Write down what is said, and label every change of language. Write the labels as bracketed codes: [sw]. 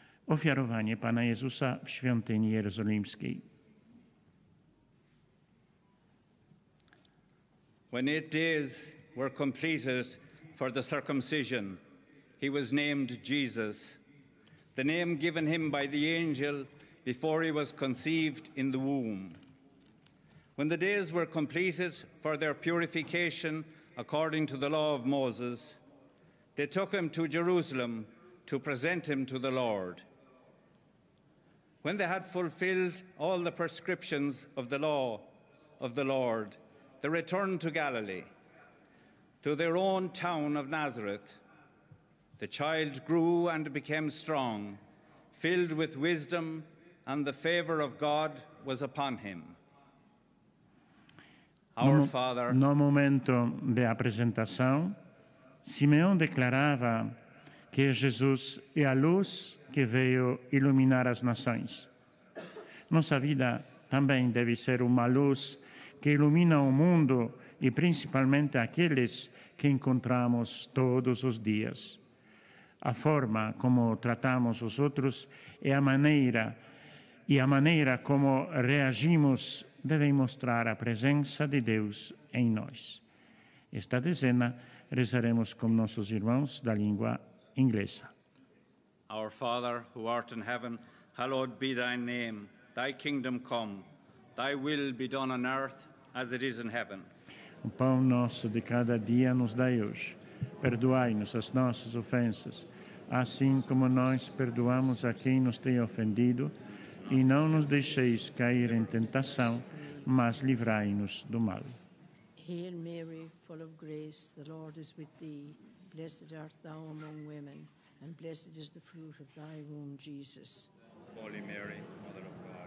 [pl] Ofiarowanie Pana Jezusa w świątyni jerozolimskiej. [en] When it is were completed for the circumcision, he was named Jesus, the name given him by the angel before he was conceived in the womb. When the days were completed for their purification according to the law of Moses, they took him to Jerusalem to present him to the Lord. When they had fulfilled all the prescriptions of the law of the Lord, they returned to Galilee, to their own town of Nazareth. The child grew and became strong, filled with wisdom, and the favor of God was upon him. Our Father. [pt] No momento de apresentação, Simeão declarava que Jesus é a luz que veio iluminar as nações. Nossa vida também deve ser uma luz que ilumina o mundo e principalmente aqueles que encontramos todos os dias. A forma como tratamos os outros é a maneira, e a maneira como reagimos deve mostrar a presença de Deus em nós. Esta dezena rezaremos com nossos irmãos da língua inglesa. [en] Our Father, who art in heaven, hallowed be thy name. Thy kingdom come, thy will be done on earth as it is in heaven. [pt] O pão nosso de cada dia nos dai hoje. Perdoai-nos as nossas ofensas, assim como nós perdoamos a quem nos tem ofendido, e não nos deixeis cair em tentação, mas livrai-nos do mal. [en] Hail Mary, full of grace, the Lord is with thee. Blessed art thou among women, and blessed is the fruit of thy womb, Jesus. Holy Mary, Mother of God.